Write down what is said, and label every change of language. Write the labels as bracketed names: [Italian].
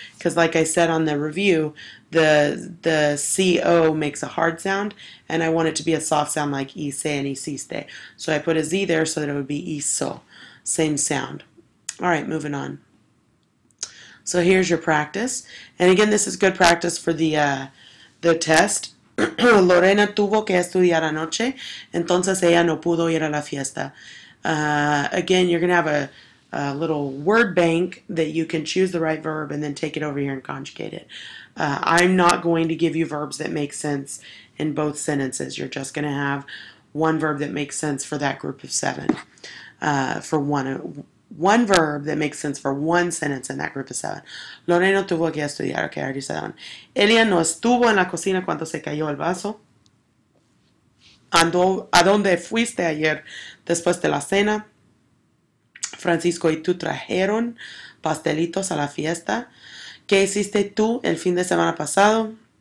[English] Because like I said on the review, the C-O makes a hard sound, and I want it to be a soft sound like ise and isiste. So I put a Z there so that it would be iso, same sound. All right, moving on. So here's your practice. And again, this is good practice for the test. [Spanish] Lorena tuvo que estudiar anoche, entonces ella no pudo ir a la fiesta. [English] Again, you're going to have a little word bank that you can choose the right verb and then take it over here and conjugate it. I'm not going to give you verbs that make sense in both sentences. You're just going to have one verb that makes sense for that group of seven. One verb that makes sense for one sentence in that group of seven. [Spanish] Lorena tuvo que estudiar. [English] Okay, I already said that one. [Spanish] Elia no estuvo en la cocina cuando se cayó el vaso. Andó, ¿a dónde fuiste ayer después de la cena? Francisco y tú trajeron pastelitos a la fiesta. ¿Qué hiciste tú el fin de semana pasado?